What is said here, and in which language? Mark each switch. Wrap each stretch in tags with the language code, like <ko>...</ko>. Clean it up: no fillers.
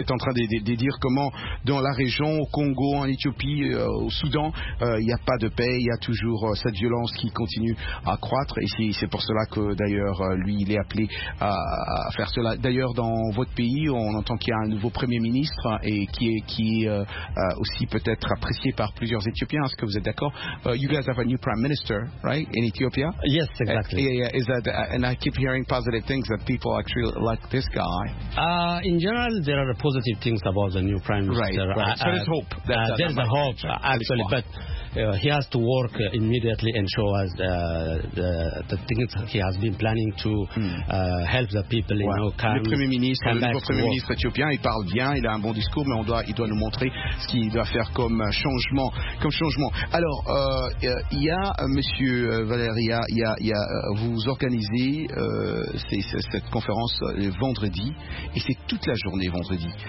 <fr>est en train de dire comment dans la région, au Congo, en Éthiopie, au Soudan, il n'y a pas de paix, il y a toujours cette violence qui continue à croître. Et c'est pour cela que d'ailleurs, lui, il est appelé à faire cela. D'ailleurs, dans votre pays, on entend qu'il y a un nouveau Premier ministre et qui est aussi peut-être apprécié par plusieurs Éthiopiens. Est-ce que vous êtes d'accord?</fr> <en>You guys have a new Prime Minister, right? In Ethiopia? Yes, exactly. And I keep hearing positive things that people actually like this guy. In general, there are positive things about the new prime minister. Right. So there's hope. There's hope, actually. But he has to work immediately and show us the things he has been planning to help the people.</en> <fr>Ouais. Le nouveau premier ministre éthiopien, il parle bien, il a un bon discours, mais il doit nous montrer ce qu'il doit faire comme changement. Alors, il y a monsieur Valéria, vous organisez cette conférence vendredi, et c'est toute la journée vendredi.</fr>